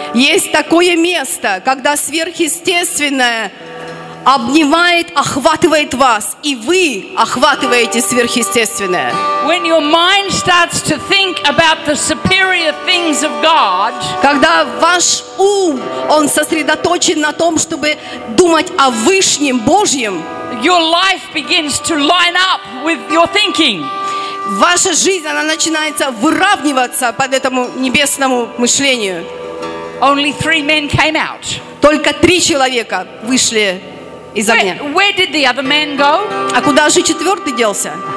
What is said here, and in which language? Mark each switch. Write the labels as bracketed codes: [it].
[ru] Есть такое место, когда сверхъестественное обнимает, охватывает вас, и вы охватываете сверхъестественное. [en] When your mind starts to think about the superior things of God, [ru] когда ваш ум, он сосредоточен на том, чтобы думать о Вышнем Божьем, [en] your life begins to line up with your thinking. [ru] Ваша жизнь, она начинается выравниваться под этому небесному мышлению. [en] Only three men came out. [ru] Только три человека вышли из огня. [en] Where did the other man go? [ru] А куда же четвертый делся?